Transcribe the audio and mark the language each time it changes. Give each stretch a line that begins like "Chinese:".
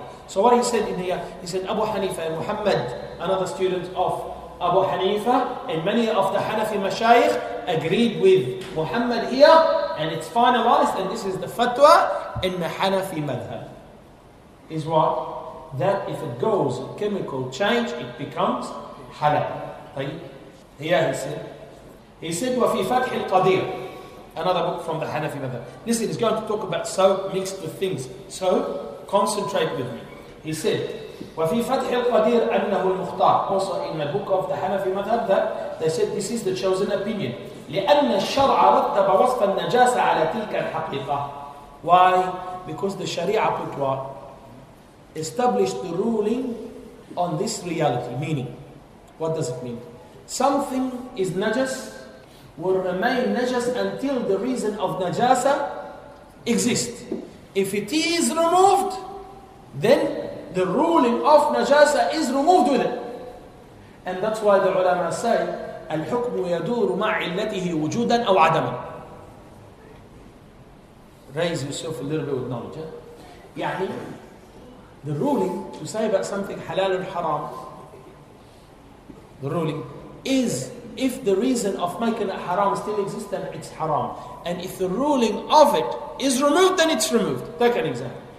English: So what he said in here, he said Abu Hanifa and Muhammad, another student of Abu Hanifa, and many of the Hanafi mashayikh agreed with Muhammad here. And it's finalized, and this is the fatwa in the Hanafi madhab. Is what? That if it goes chemical change, it becomes halal. Here he said. He said,
Arabic: وَفِي فَتْحِ الْقَدِيرِ.
English: Another book from the Hanafi madhab. Listen, he's going to talk about soap mixed with things. So, concentrate with me. He said,
Arabic: وَفِي فَتْحِ الْقَدِيرِ أَنَّهُ الْمُخْتَارِ.
English: Also in the book of the Hanafi madhab, that they said this is the chosen opinion.
Arabic: لأن الشرع رتب وصف النجاسة على تلك الحقيقة.
English: Why? Because the Sharia put what? Established the ruling on this reality. Meaning, what does it mean? Something is najas, will remain najas until the reason of najasa exists. If it is removed, then the ruling of najasa is removed with it. And that's why the ulama say,
Arabic: الحكم يدور مع علته وجودا أو عدما.
English: Raise yourself a little bit with knowledge. يعني, the ruling to say about something halal and haram, the ruling is if the reason of making it haram still exists, then it's haram. And if the ruling of it is removed, then it's removed. Take an example.